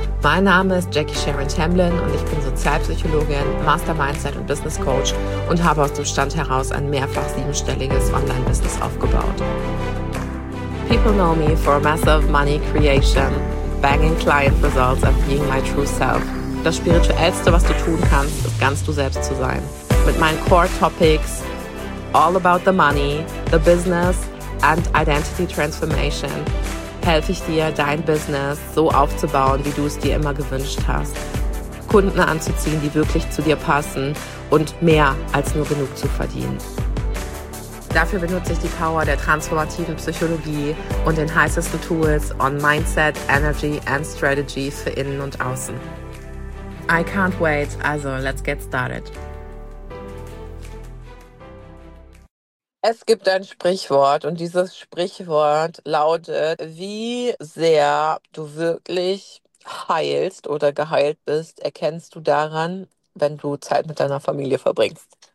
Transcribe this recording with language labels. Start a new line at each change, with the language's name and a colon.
German: Mein Name ist Jackie Sharon Tamblyn und ich bin Sozialpsychologin, Master Mindset und Business Coach und habe aus dem Stand heraus ein mehrfach siebenstelliges Online-Business aufgebaut.
English: People know me for massive money creation, banging client results and being my true self.
German: Das Spirituellste, was du tun kannst, ist ganz du selbst zu sein. Mit meinen Core Topics,
English: all about the money, the business and identity transformation,
German: helfe ich dir, dein Business so aufzubauen, wie du es dir immer gewünscht hast. Kunden anzuziehen, die wirklich zu dir passen und mehr als nur genug zu verdienen. Dafür benutze ich die Power der transformativen Psychologie und den heißesten Tools
English: on Mindset, Energy and Strategy
German: für innen und außen.
English: I can't wait, also let's get started.
German: Es gibt ein Sprichwort und dieses Sprichwort lautet, wie sehr du wirklich heilst oder geheilt bist, erkennst du daran, wenn du Zeit mit deiner Familie verbringst.